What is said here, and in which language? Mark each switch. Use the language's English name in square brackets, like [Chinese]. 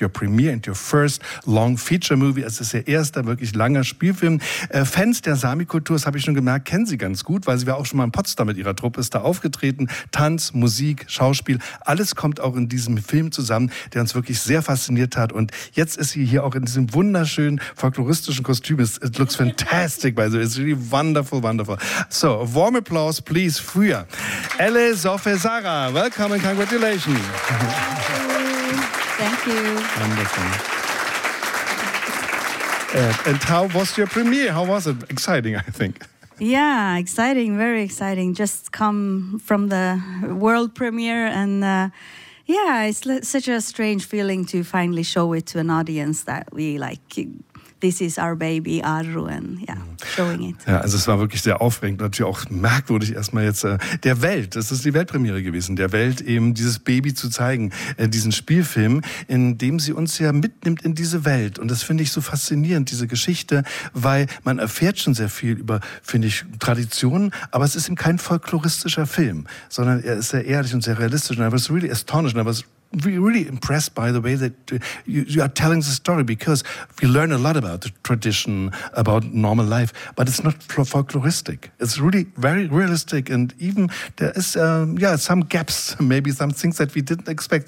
[English] Your Premiere and Your First Long Feature Movie. [German] Es ist ihr erster wirklich langer Spielfilm. Fans der Sami-Kultur, das habe ich schon gemerkt, kennen sie ganz gut, weil sie war auch schon mal in Potsdam mit ihrer Truppe, ist da aufgetreten. Tanz, Musik, Schauspiel, alles kommt auch in diesem Film zusammen, der uns wirklich sehr fasziniert hat. Und jetzt ist sie hier auch in diesem wunderschönen folkloristischen Kostüm. [English] It looks fantastic, by the way. It's really wonderful, wonderful. So, warm applause, please, für Elle Sofe Sara. Welcome and congratulations. Thank you. Wonderful. And how was your premiere? How was it? Exciting, I think. Yeah, exciting, very exciting. Just come from the world premiere and it's such a strange feeling to finally show it to an audience that we like. This is our baby, Aru, showing it. [German] Ja, also es war wirklich sehr aufregend, natürlich auch merkwürdig erstmal jetzt der Welt, das ist die Weltpremiere gewesen, der Welt eben dieses Baby zu zeigen, diesen Spielfilm, in dem sie uns ja mitnimmt in diese Welt. Und das finde ich so faszinierend, diese Geschichte, weil man erfährt schon sehr viel über, finde ich, Traditionen, aber es ist eben kein folkloristischer Film, sondern er ist sehr ehrlich und sehr realistisch. [English] And I was really astonished, and I was really impressed by the way that you are telling the story, because we learn a lot about the tradition, about normal life, but it's not folkloristic. It's really very realistic, and even there is some gaps, maybe some things that we didn't expect.